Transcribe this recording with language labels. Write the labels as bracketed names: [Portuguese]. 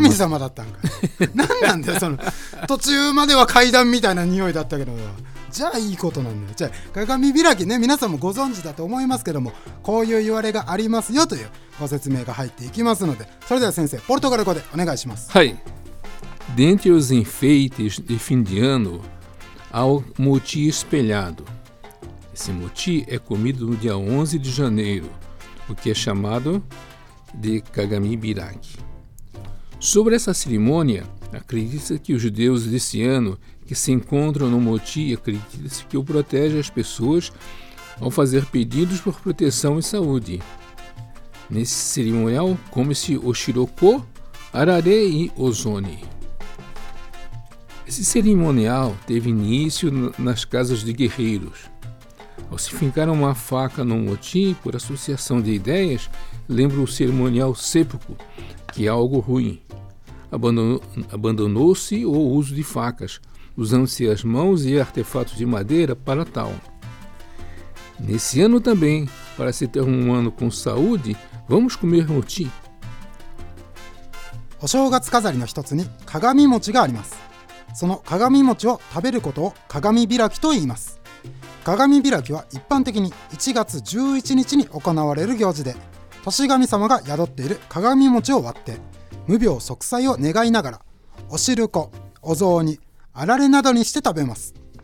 [Japanese] 神様だったんか。何なんだよその途中までは階段みたいな匂いだったけど。じゃあいいことなんだよ。じゃあ鏡開きね、皆さんもご存知だと思いますけども、こういう言われがありますよというご説明が入っていきますので、それでは先生ポルトガル語でお願いします。はい。 [Portuguese] Dentre os enfeites de fim de ano há o moti espelhado. Esse moti é comido no dia 11 de janeiro, o que é chamado de kagami biraki. Sobre essa cerimônia, acredita-se que os judeus desse ano que se encontram no moti acredita-se que o protege as pessoas ao fazer pedidos por proteção e saúde. Nesse cerimonial come-se o shiroko, arare e ozone. Esse cerimonial teve início nas casas de guerreiros. Ao se fincar uma faca no moti, por associação de ideias, lembra o cerimonial seppuku, que é algo ruim. Abandonou-se o uso de facas, usando-se as mãos e artefatos de madeira para tal. Nesse ano também, para se ter um ano com saúde, vamos comer moti. [Japanese] O 正月飾りの一つに鏡餅があります。その鏡餅を食べることを鏡開きと言います。鏡開きは一般的に1月11日に行われる行事で、年神様が宿っている鏡餅を割って無病息災を願いながらお汁粉、お雑煮、あられなどにして食べます。